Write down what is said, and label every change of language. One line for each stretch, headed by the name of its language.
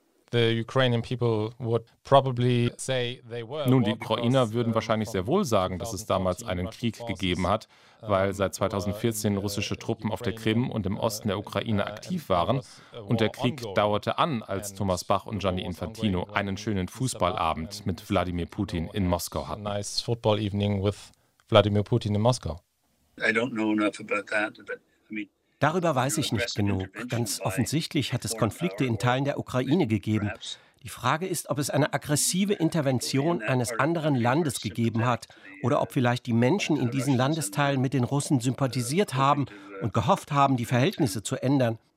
English: The Ukrainian people would probably say they were.
German: Nun, die Ukrainer würden wahrscheinlich sehr wohl sagen, dass es damals einen Krieg gegeben hat, weil seit 2014 russische Truppen auf der Krim und im Osten der Ukraine aktiv waren. Und der Krieg dauerte an, als Thomas Bach und Gianni Infantino einen schönen Fußballabend mit Wladimir Putin in Moskau hatten.
English: A nice football evening with Wladimir Putin in Moskau. I don't know enough about that, but I mean.
German: Darüber weiß ich nicht genug. Ganz offensichtlich hat es Konflikte in Teilen der Ukraine gegeben. Die Frage ist, ob es eine aggressive Intervention eines anderen Landes gegeben hat oder ob vielleicht die Menschen in diesen Landesteilen mit den Russen sympathisiert haben und gehofft haben, die Verhältnisse zu ändern.